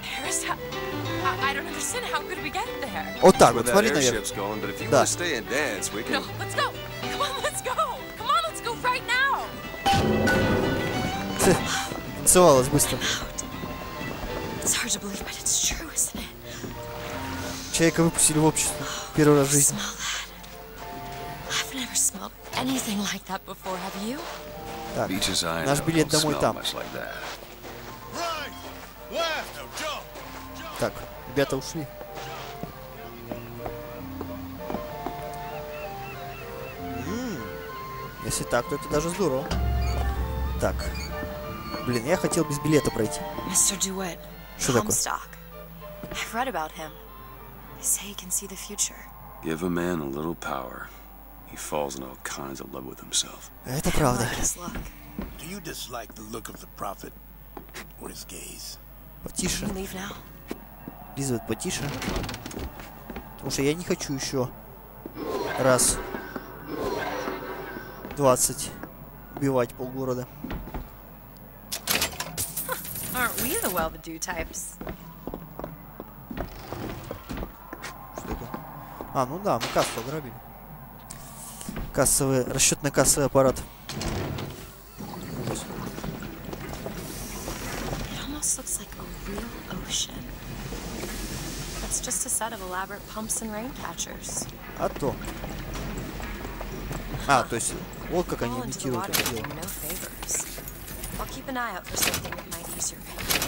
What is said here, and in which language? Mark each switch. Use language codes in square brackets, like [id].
[en] Paris? I don't understand. How could we get there? [ru] Вот так вот, смотри наверх. [en] Airship's going, but if you want to stay and dance, we can... No, let's go. Come on, let's go. Come on, let's go right now. [ru] Танцевалась быстро. [en] It's hard to believe, but it's true, isn't it? [ru] Человека выпустили в общество первый раз в жизни. [en] I've never smelled anything like that before, have you? [ru] Так, наш билет домой там. Так, ребята ушли. Если так, то это даже здорово. Так, блин, я хотел без билета пройти. Мистер Дюэт. Что такое? [en] I've read about him. They say he can see the future. Give a man a little power, he falls in all kinds of love with himself. [ru] Это правда. [en] Do you dislike the look of the prophet or his gaze? [ru] Потише. [en] Can you leave now? [ru] Лизавет, потише. Потому что я не хочу еще раз 20 убивать полгорода. [en] Aren't we the well-to-do types? [ru] А, ну да, мы кассу ограбили. Кассовый, расчетно-кассовый аппарат. [en] It almost looks like a real ocean. That's just a set of elaborate pumps and rain catchers. [ru] А то. А, то есть, вот как они имитируют это дело. [en] No favors. I'll keep an eye out for something that might ease your pain.